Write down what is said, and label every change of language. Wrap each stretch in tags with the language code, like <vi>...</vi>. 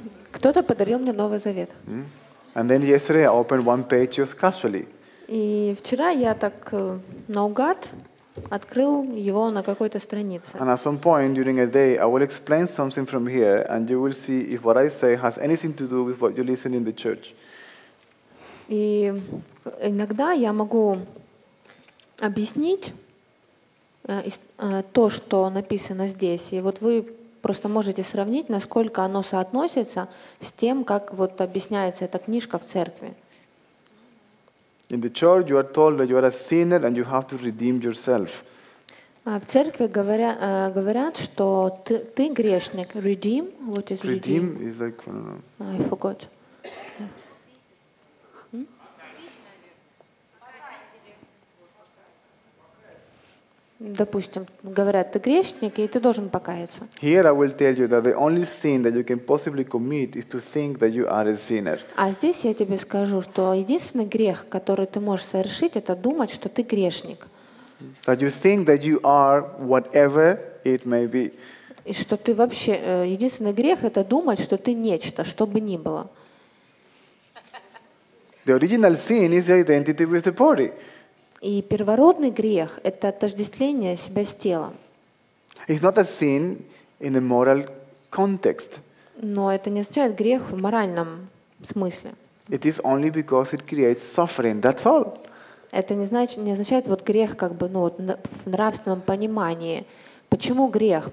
<ru>Кто-то подарил мне Новый Завет.</ru> <en>And then yesterday I opened one page just casually.</en> <ru>И вчера я так наугад открыл его на какой-то странице.</ru> <en>And at some point during a day I will explain something from here, and you will see if what I say has anything to do with what you listen in the church.</en> <ru>И иногда я могу объяснить то, что написано здесь. И вот вы просто можете сравнить, насколько оно соотносится с тем, как вот объясняется эта книжка в церкви.</ru> <en>In the church you are told that you are a sinner and you have to redeem yourself.</en> <ru>В церкви говорят, что ты грешник.</ru> <en>Redeem, what is redeem? Redeem is like, I forgot.</en> <ru>Допустим, говорят, ты грешник, и ты должен покаяться.</ru> <en>Here I will tell you that the only sin that you can possibly commit is to think that you are a sinner.</en> <ru>А здесь я тебе скажу, что единственный грех, который ты можешь совершить, это думать, что ты грешник.</ru> <en>That you think that you are whatever it may be.</en> <ru>И что ты вообще, единственный грех, это думать, что ты нечто, что бы ни было.</ru> <en>The original sin is the identity with the body.</en> <ru>И первородный грех — это отождествление себя с телом.</ru> <en>It's not a sin in a moral context.</en> <ru>Но это не означает грех в моральном смысле.</ru> <en>It is only because it creates suffering. That's all.</en> <ru>Это не означает вот грех как бы ну вот в нравственном понимании. Почему грех?</ru>